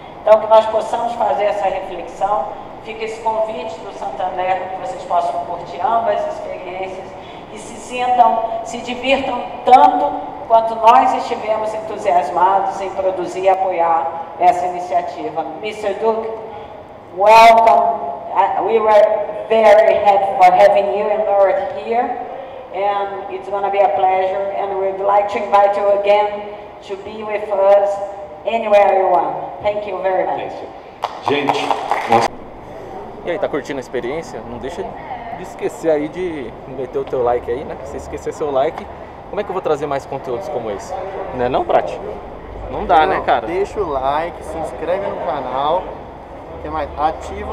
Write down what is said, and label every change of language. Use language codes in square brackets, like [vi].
[pt] Então, que nós possamos fazer essa reflexão, fica esse convite do Santander, que vocês possam curtir ambas as experiências e se sintam, se divirtam tanto quanto nós estivemos entusiasmados em produzir e apoiar essa iniciativa. [en] Mr. Duke, welcome. We were very happy for having you and Laura here, and it's going to be a pleasure, and we'd like to invite you again to be with us anywhere you want. Thank you very much. Thank you. [pt] Gente, nossa... E aí, tá curtindo a experiência? Não deixa de esquecer aí de meter o teu like aí, né? Se esquecer seu like, como é que eu vou trazer mais conteúdos como esse? Né não, Prati? Não dá, não, né, cara? Deixa o like, se inscreve no canal. Que mais? Ativa